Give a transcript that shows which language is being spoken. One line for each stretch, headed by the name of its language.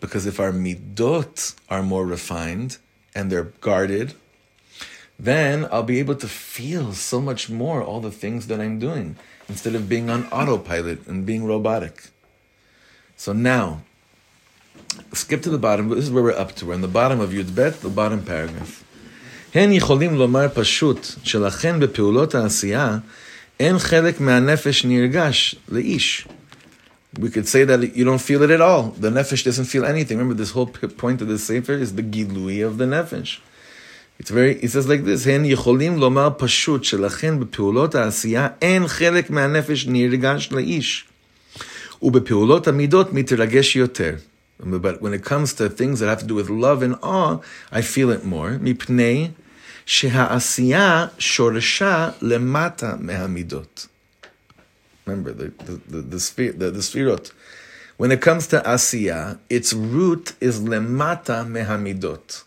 English: Because if our midot are more refined and they're guarded, then I'll be able to feel so much more all the things that I'm doing, instead of being on autopilot and being robotic. So now, skip to the bottom. This is where we're up to. We're on the bottom of Yud Bet, the bottom paragraph.
Hebrew: הן יכולים לומר פשוט שלכן בפעולות העשייה אין חלק מהנפש נרגש לאיש.
English: We could say that you don't feel it at all. The nefesh doesn't feel anything. Remember, this whole point of the Sefer is the gilui of the nefesh. It says like this,
Hebrew: הן יכולים לומר פשוט שלכן בפעולות העשייה אין חלק מהנפש נרגש לאיש. ובפעולות המידות מתרגש יותר.
English: But when it comes to things that have to do with love and awe, I feel it more.
Hebrew: Mipnei sheha'asiya shorasha lemata mehamidot.
English: Remember the sfirot. When it comes to asiya, its root is
Hebrew: lemata mehamidot.